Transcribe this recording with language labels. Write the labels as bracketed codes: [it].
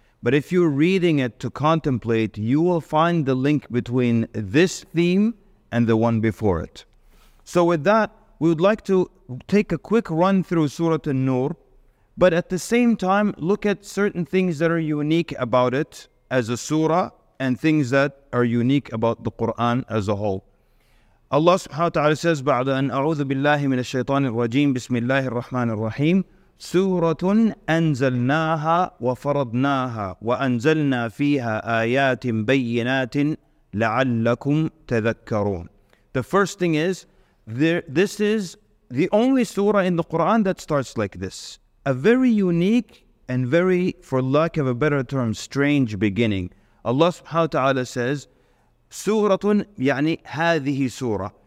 [en] But if you're reading it to contemplate, you will find the link between this theme and the one before it. So with that, we would like to take a quick run through Surah An-Nur, but at the same time, look at certain things that are unique about it as a surah and things that are unique about the Qur'an as a whole. Allah subhanahu wa ta'ala says, [ar] بَعْدَ أَنْ أَعُوذُ بِاللَّهِ مِنَ الشَّيْطَانِ الرَّجِيمِ بِسْمِ اللَّهِ الرَّحْمَنِ الرَّحِيمِ سُورَةٌ أَنْزَلْنَاهَا وَفَرَضْنَاهَا وَأَنْزَلْنَا فِيهَا آيَاتٍ بَيِّنَاتٍ لَعَلَّكُمْ تَذَكَّرُونَ. [en] The first thing is, this is the only surah in the Qur'an that starts like this. A very unique and very, for lack of a better term, strange beginning. Allah subhanahu wa ta'ala says, [ar] سُورَةٌ يَعْنِي هَذِهِ سُورَةٌ.